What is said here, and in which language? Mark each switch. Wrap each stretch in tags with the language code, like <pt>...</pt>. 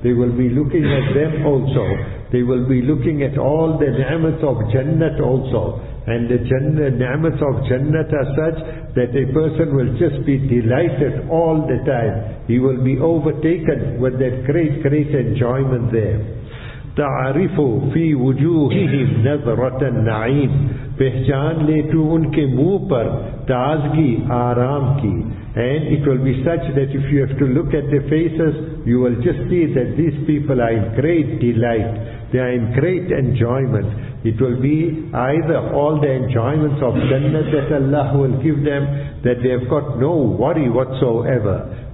<en>They will be looking at them also. They will be looking at all the ni'mats of Jannah also. And the ni'mats of Jannah are such that a person will just be delighted all the time. He will be overtaken with that great, great enjoyment there.</en> <ar>تَعَرِفُ فِي وُجُوهِهِمْ نَذْرَةَ النَّعِيمِ.</ar> <ur>پہچان لے تو ان کے منہ پر تازگی آرام کی.</ur> <en>And it will be such that if you have to look at their faces, you will just see that these people are in great delight. They are in great enjoyment. It will be either all the enjoyments of Jannah that Allah will give them, that they have got no worry whatsoever.</en>